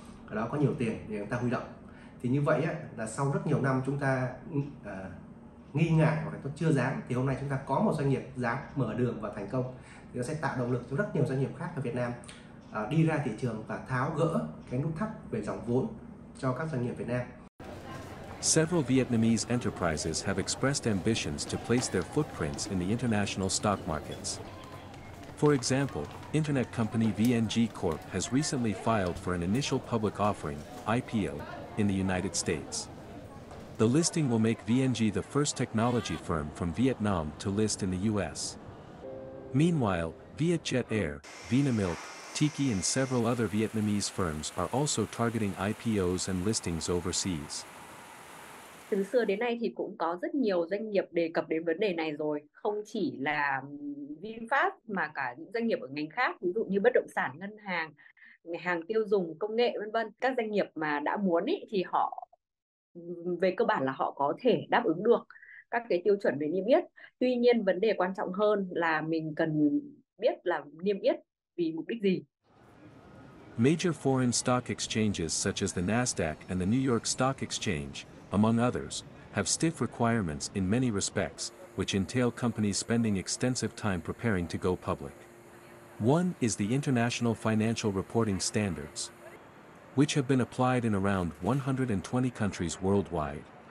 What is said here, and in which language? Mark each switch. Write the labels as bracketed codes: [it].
[vi] Ở đó có nhiều tiền để chúng ta huy động. Thì như vậy là sau rất nhiều năm chúng ta nghi ngại hoặc là tôi chưa dám, thì hôm nay chúng ta có một doanh nghiệp dám mở đường và thành công, thì nó sẽ tạo động lực cho rất nhiều doanh nghiệp khác ở Việt Nam đi ra thị trường và tháo gỡ cái nút thắt về dòng vốn cho các doanh nghiệp Việt Nam. [en] Several Vietnamese enterprises have expressed ambitions to place their footprints in the international stock markets. For example, internet company VNG Corp has recently filed for an initial public offering, IPO, in the United States. The listing will make VNG the first technology firm from Vietnam to list in the US. Meanwhile, Vietjet Air, Vinamilk, Tiki and several other Vietnamese firms are also targeting IPOs and listings overseas. [vi] Từ xưa đến nay thì cũng có rất nhiều doanh nghiệp đề cập đến vấn đề này rồi, không chỉ là VinFast mà cả những doanh nghiệp ở ngành khác, ví dụ như bất động sản, ngân hàng, ngành hàng tiêu dùng, công nghệ vân vân. Các doanh nghiệp mà đã muốn ý, thì họ về cơ bản là họ có thể đáp ứng được các cái tiêu chuẩn về niêm yết. Tuy nhiên vấn đề quan trọng hơn là mình cần biết là niêm yết vì mục đích gì. [en] Major foreign stock exchanges such as the Nasdaq and the New York Stock Exchange, among others, have stiff requirements in many respects, which entail companies spending extensive time preparing to go public. One is the International Financial Reporting Standards, which have been applied in around 120 countries worldwide.